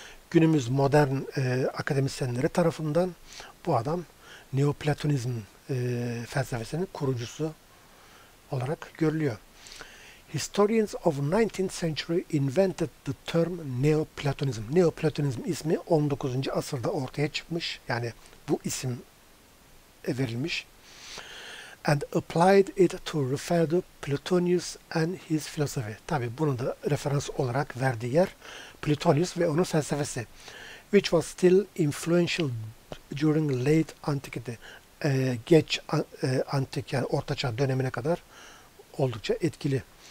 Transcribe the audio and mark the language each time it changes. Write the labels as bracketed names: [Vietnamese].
[Turkish] Günümüz modern akademisyenleri tarafından bu adam Neoplatonizm felsefesinin kurucusu olarak görülüyor. [English] Historians of 19th century invented the term Neoplatonism. [Turkish] Neoplatonizm ismi 19. asırda ortaya çıkmış. Yani bu isim verilmiş. [English] And applied it to refer to Plotinus and his philosophy. [Turkish] Tabi bunu da referans olarak verdiği yer Plotinus ve onun felsefesi. [English] Which was still influential during late antiquity. [Turkish] Geç antik yani ortaçağ dönemine kadar oldukça etkili.